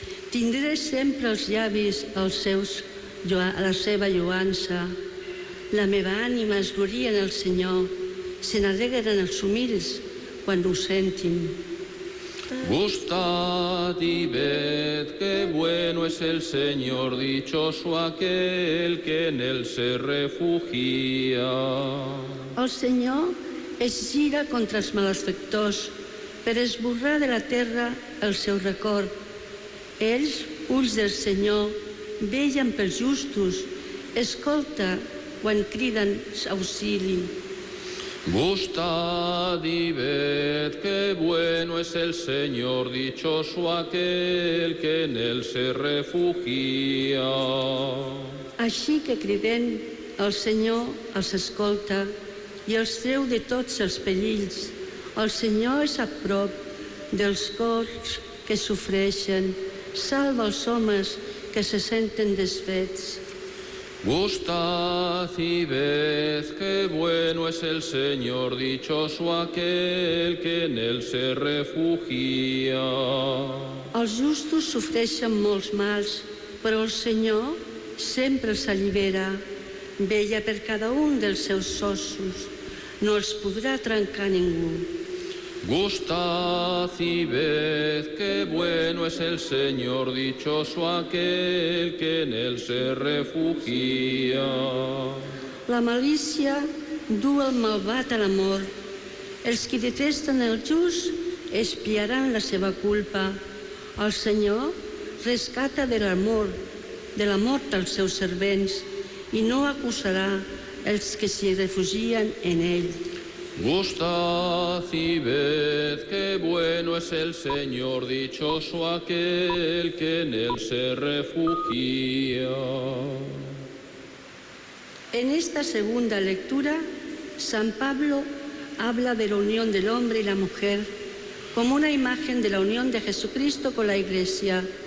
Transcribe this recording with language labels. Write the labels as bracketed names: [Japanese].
[Catalan] Tindré sempre els llavis als seus, a la seva lloança. La meva ànima es gloria en el Senyor. Se n'alegren els humils quan ho sentin. [Spanish] Gustad y ved qué bueno es el Señor, dichoso aquel que en él se refugia. [Catalan] El Senyor es gira contra els malfectors per esborrar de la terra el seu record. Ells, ulls del Senyor, vegen pels justos, escolta quan criden auxili. [Spanish] Gustad y ved qué bueno es el Señor, dichoso aquel que en él se refugia. [Catalan] Així que criden, el Senyor els escolta i els treu de tots els perills. El Senyor és a prop dels cors que sofreixen, salva els homes que se senten desfets. [Spanish] Gustad y ved qué bueno es el Señor, dichoso aquel que en él se refugia. [Catalan] Els justos sofreixen molts mals, però el Senyor sempre els allibera. Vella per cada un dels seus ossos, no els podrà trencar ningú. [Spanish] Gustad y ved qué bueno es el Señor, dichoso aquel que en él se refugia. [Catalan] La malícia du el malvat a la mort. Els qui detesten el just espiaran la seva culpa. El Senyor rescata de la mort, els seus servents, i no acusarà els que s'hi refugien en ell. [Spanish] Gustad y ved qué bueno es el Señor, dichoso aquel que en él se refugia. En esta segunda lectura, San Pablo habla de la unión del hombre y la mujer como una imagen de la unión de Jesucristo con la Iglesia.